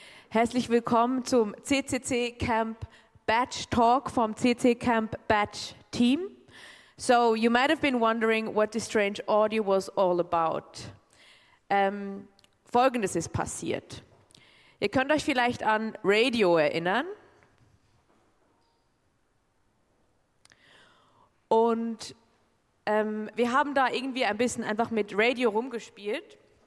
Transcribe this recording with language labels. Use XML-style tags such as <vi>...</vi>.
<de>Herzlich willkommen zum CCC Camp Batch Talk vom CCC Camp Batch Team.</de> <en>So you might have been wondering what this strange audio was all about.</en> <de>Folgendes ist passiert. Ihr könnt euch vielleicht an Radio erinnern. Und wir haben da irgendwie ein bisschen einfach mit Radio rumgespielt.</de>